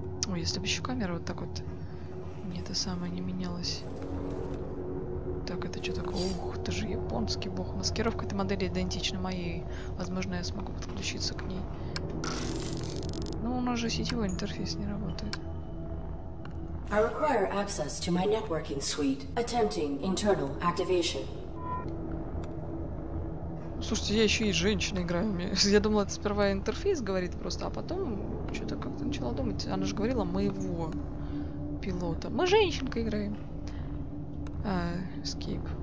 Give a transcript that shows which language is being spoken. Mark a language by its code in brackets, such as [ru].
[ru] Ой, если бы еще камера вот так вот мне это самое не менялась. Так, это что такое? Ух, это же японский бог. Маскировка этой модели идентична моей. Возможно, я смогу подключиться к ней. Ну, у нас же сетевой интерфейс не работает. [en] I require access to my networking suite. Attempting internal activation. [ru] Слушайте, я еще и женщина играю. Я думала, это сперва интерфейс говорит просто, а потом что-то как-то начала думать. Она же говорила моего пилота. Мы женщинка играем. Скип.